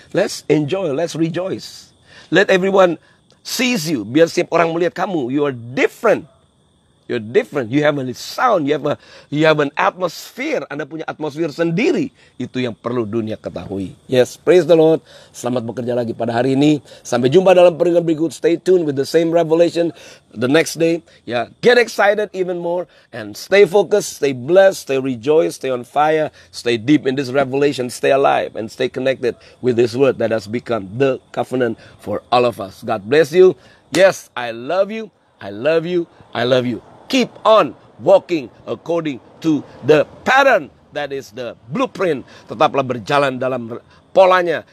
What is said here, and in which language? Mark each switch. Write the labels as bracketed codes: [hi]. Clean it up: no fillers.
[en] Let's enjoy, let's rejoice. Let everyone sees you. [id] Biar setiap orang melihat kamu. [en] You are different. You're different. You have a sound. You have an atmosphere. [id] Anda punya atmosfer sendiri. Itu yang perlu dunia ketahui. [en] Yes, praise the Lord. [id] Selamat bekerja lagi pada hari ini. Sampai jumpa dalam peringatan berikut. [en] Stay tuned with the same revelation the next day. Yeah, get excited even more and stay focused, stay blessed, stay rejoiced, stay on fire, stay deep in this revelation, stay alive and stay connected with this word that has become the covenant for all of us. God bless you. Yes, I love you. I love you. I love you. Keep on walking according to the pattern that is the blueprint. [id] Tetaplah berjalan dalam polanya.